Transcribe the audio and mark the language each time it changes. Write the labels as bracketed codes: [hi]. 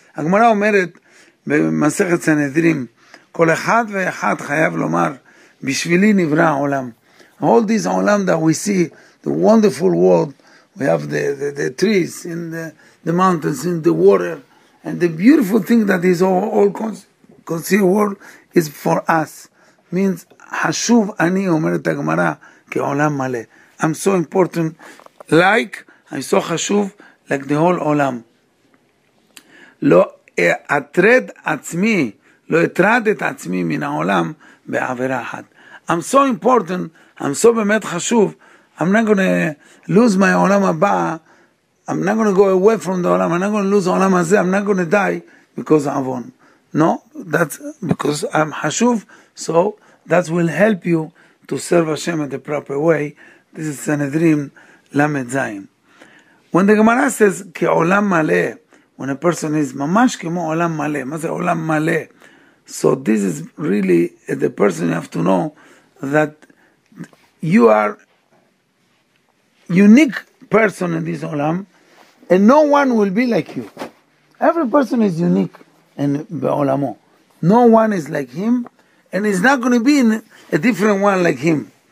[he] הגמרא אומרת במסכת סנהדרין, כל אחד ואחד חייב לומר, בשבילי נברא העולם. [en] All this עולם that we see, the wonderful world, we have the trees in the mountains, in the water, and the beautiful thing that is all conceived world is for us. [he] Means חשוב אני, אומרת הגמרא, כעולם מלא. [en] I'm so important, like, I'm so חשוב, like the whole עולם. [he] לא אתרד עצמי, לא אתרד את עצמי מן העולם בעבירה אחת. [en] I'm so important, I'm so [he] באמת חשוב, [en] I'm not going to lose my [he] עולם הבא, [en] I'm not going to go away from the עולם, I'm not going to lose [he] העולם הזה, [en] I'm not going to die because of avon. No, that's because I'm חשוב, so that will help you to serve Hashem in the proper way. This is Sanhedrin Lamed Zayin. When the Gemara says, [he] כעולם מלא, [en] when a person is [he] ממש כמו עולם מלא, מה זה עולם מלא? [en] So this is really, the person you have to know, that you are unique person in this עולם, and no one will be like you. Every person is unique in בעולמו. No one is like him, and he's not going to be in a different one like him.